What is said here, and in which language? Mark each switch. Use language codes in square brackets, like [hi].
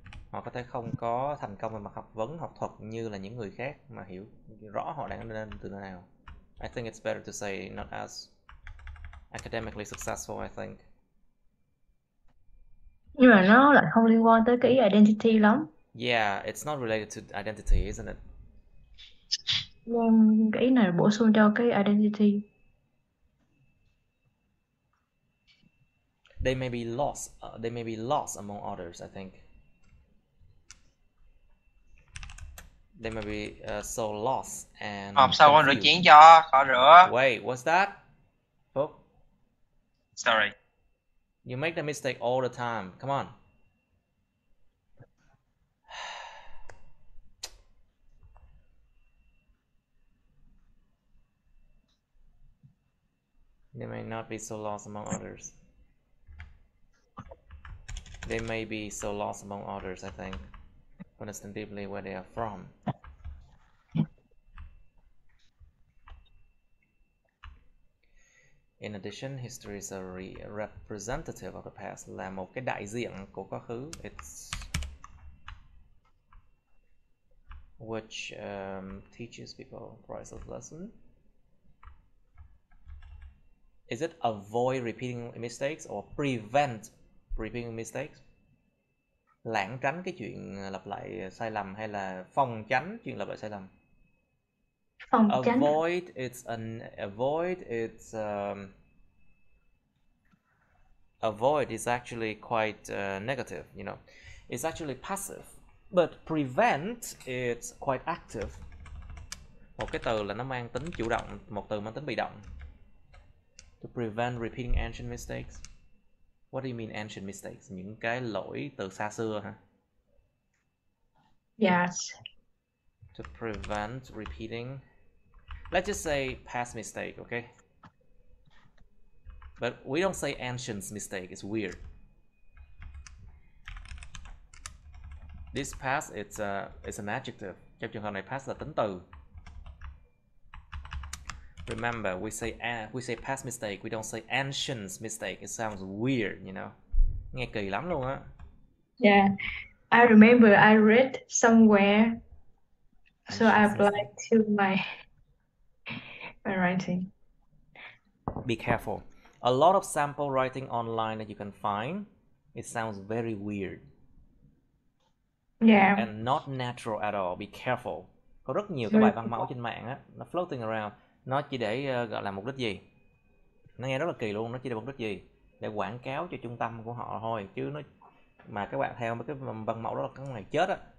[vi] Họ có thể không có thành công về mặt học vấn, học thuật như là những người khác mà hiểu rõ họ đang lên từ nơi nào. [en] I think it's better to say not as academically successful, I think. [vi] Nhưng mà nó lại không liên quan tới cái identity lắm. [en] Yeah, it's not related to identity, isn't it? [vi] Vâng, cái ý này bổ sung cho cái identity. [en] They may be lost. They may be lost among others. I think. They may be so lost and. [vi] Học sao con rửa chén cho, khó rửa. [en] Wait, what's that? Book. Sorry. You make the mistake all the time. Come on. They may not be so lost among others. They may be so lost among others, I think. Understand deeply where they are from. In addition, history is a representative of the past. [vi] Là một cái đại diện của quá khứ. [en] It's which teaches people priceless lessons. Is it avoid repeating mistakes or prevent repeating mistakes? [vi] Lãng tránh cái chuyện lặp lại sai lầm hay là phòng tránh chuyện lặp lại sai lầm? Phòng [en] avoid [vi] tránh. [en] Avoid it's an avoid it's avoid is actually quite negative, you know. It's actually passive, but prevent it's quite active. [vi] Một cái từ là nó mang tính chủ động, một từ mang tính bị động. [en] To prevent repeating ancient mistakes. What do you mean ancient mistakes? [vi] Những cái lỗi từ xa xưa hả? [en] Yes. To prevent repeating. Let's just say past mistake, okay? But we don't say ancient mistake, it's weird. This past it's an adjective. Trong trường hợp này past là tính từ. Remember, we say past mistake, we don't say ancient mistake. It sounds weird, you know. [vi] Nghe kỳ lắm luôn á. [en] Yeah. I remember I read somewhere. Ancient so I applied to my writing. Be careful. a lot of sample writing online that you can find, it sounds very weird. Yeah. And not natural at all. Be careful. [vi] Có rất nhiều cái bài văn mẫu trên mạng á, nó [en] floating around. [vi] Nó chỉ để gọi là mục đích gì? Nó nghe rất là kỳ luôn. Nó chỉ để mục đích gì? Để quảng cáo cho trung tâm của họ thôi. Chứ nó mà các bạn theo mấy cái văn mẫu đó là cái này chết á.